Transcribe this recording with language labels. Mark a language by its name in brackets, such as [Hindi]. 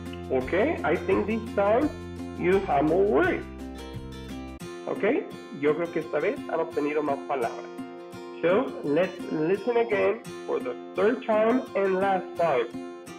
[English] Okay, I think this time you have more words. [Spanish] Okay, yo creo que esta vez han obtenido más palabras. [English] So, let's listen again for the third time and last time.